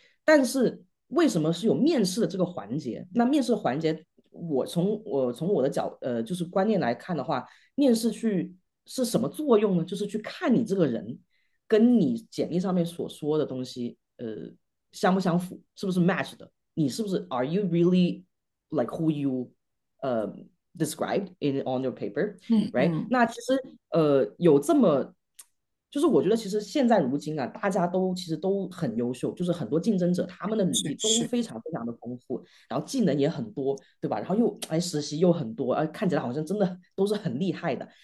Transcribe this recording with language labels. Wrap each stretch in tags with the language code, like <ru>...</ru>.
<zh>但是为什么是有面试的这个环节？那面试环节，我从我的角就是观念来看的话，面试去是什么作用呢？就是去看你这个人跟你简历上面所说的东西，相不相符，是不是 match 的？你是不是</zh> <en>Are you really like who you described in on your paper？</en> <zh>Right，那其实有这么，就是我觉得其实现在如今啊，大家都其实都很优秀，就是很多竞争者他们的履历都非常非常的丰富，然后技能也很多，对吧？然后又哎实习又很多，看起来好像真的都是很厉害的。</zh>